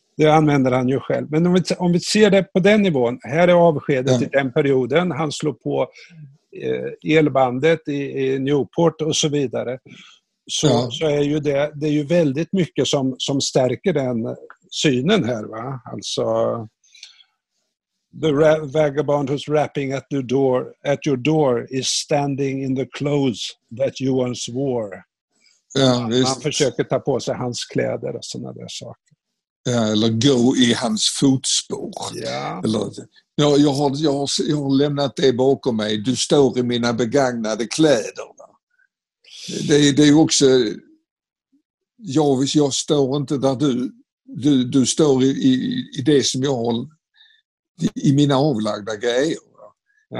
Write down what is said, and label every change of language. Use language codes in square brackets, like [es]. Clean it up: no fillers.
[sv] Det använder han ju själv. Men om vi ser det på den nivån, här är avskedet i den perioden, han slår på elbandet i Newport och så vidare. Så är ju det är ju väldigt mycket som stärker den synen här, va? [en] Alltså the vagabond who's rapping at your door is standing in the clothes that you once wore. [sv] Han försöker ta på sig hans kläder och såna där saker. Ja, eller gå i hans fotspår. Ja. Jag har lämnat det bakom mig. Du står i mina begagnade kläder. Det är också, jag står inte där du står i det som jag har i mina avlagda grejer. Ja.